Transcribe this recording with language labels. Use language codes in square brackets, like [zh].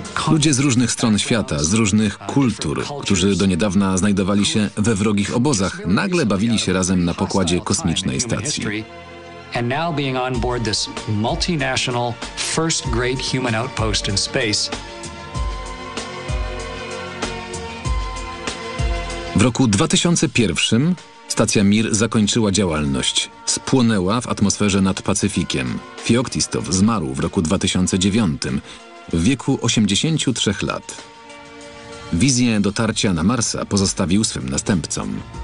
[pl] Ludzie z różnych stron świata, z różnych kultur, którzy do niedawna znajdowali się we wrogich obozach, nagle bawili się razem na pokładzie kosmicznej stacji. [en] And now being on board this multinational first great human outpost in space. [pl] W roku 2001 stacja Mir zakończyła działalność. Spłonęła w atmosferze nad Pacyfikiem. Feoktistov zmarł w roku 2009 w wieku 83 lat. Wizję dotarcia na Marsa pozostawił swym następcom.